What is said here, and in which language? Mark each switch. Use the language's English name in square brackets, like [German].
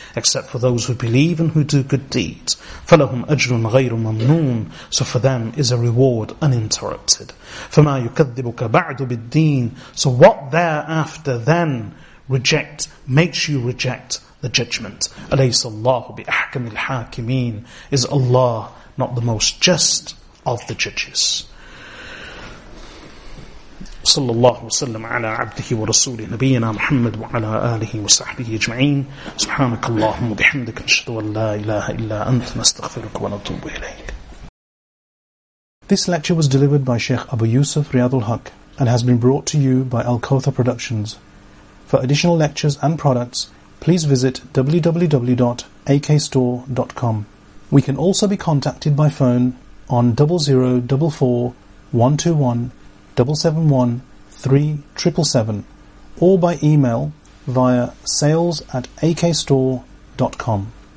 [English] Except for those who believe and who do good deeds. [Arabic] فَلَهُمْ أَجْرٌ غَيْرُ مَمْنُونَ. [English] So for them is a reward uninterrupted. [Arabic] فَمَا يُكَذِّبُكَ بَعْدُ بِالدِّينِ. [English] So what thereafter then reject, makes you reject the judgment. [Arabic] أليس الله بأحكم الحاكمين. [English] Is Allah not the most just of the judges? [Arabic] صلى الله وسلم على عبده ورسوله نبينا محمد وعلى آله وصحبه أجمعين. سبحانك اللهم وبحمدك نشهد أن لا إله إلا أنت نستغفرك ونتوب إليك. [English] This lecture was delivered by Sheikh Abu Yusuf Riyad al-Haq and has been brought to you by Al-Kawthar Productions. For additional lectures and products, please visit www.akstore.com. We can also be contacted by phone on 0044 121 771 377 or by email via sales@akstore.com.